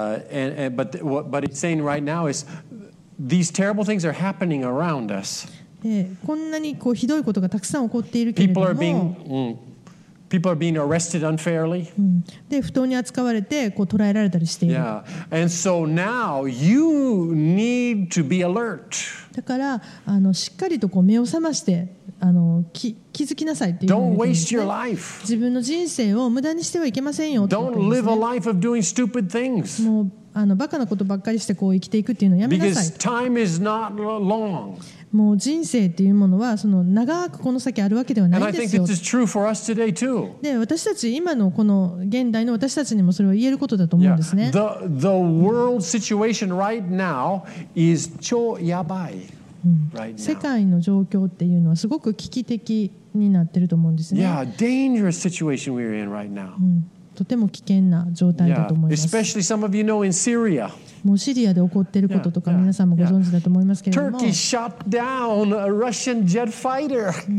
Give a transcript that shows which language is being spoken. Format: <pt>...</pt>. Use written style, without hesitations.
<en>But it's saying right now is these terrible things are happening around us.</en> <ja>こんなにこうひどいことがたくさん起こっているけれども、</ja> <en>people are being arrested unfairly.</en> <ja>で不当に扱われてこう捕らえられたりしている。</ja> <en>Yeah. And so now you need to be alert.</en> <ja>だからしっかりとこう目を覚まして、気づきなさいっていう。</ja> <en>Don't waste your life.</en> <ja>自分の人生を無駄にしてはいけませんよ。</ja> <en>Don't live a life of doing stupid things.</en> <ja>もうバカなことばっかりしてこう生きていくっていうのをやめなさい。</ja> <en>Because time is not long.</en> <ja>もう人生っていうものはその長くこの先あるわけではないですよ。</ja> <en>And I think it's true for us today too.</en> <ja>で私たち今のこの現代の私たちにもそれは言えることだと思うんですね。</ja> <en>The world situation right now is</en> <ja>超やばい。</ja> <en>right now.</en> <ja>世界の状況っていうのはすごく危機的になってると思うんですね。</ja> <en>Yeah, dangerous situation we're in right now.</en> <ja>とても危険な状態だと思います。</ja> <en>Yeah, especially some of you know in Syria.</en> <ja>もうシリアで起こっていることとか皆さんもご存知だと思いますけれども、</ja> <en>Turkey shot down a Russian jet fighter.</en>